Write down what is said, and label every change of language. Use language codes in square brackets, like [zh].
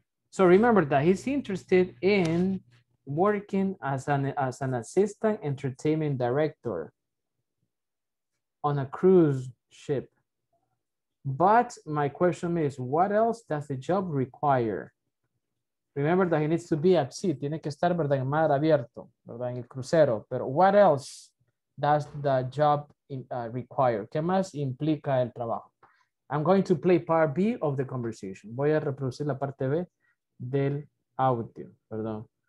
[en] So remember that he's interested in working as an assistant entertainment director on a cruise ship. But my question is, what else does the job require? Remember that he needs to be at sea. [es] Tiene que estar, ¿verdad?, en mar abierto, ¿verdad?, en el crucero. [en] Pero what else does the job require? [es] ¿Qué más implica el trabajo? [en] I'm going to play part B of the conversation. [es] Voy a reproducir la parte B del audio, perdón.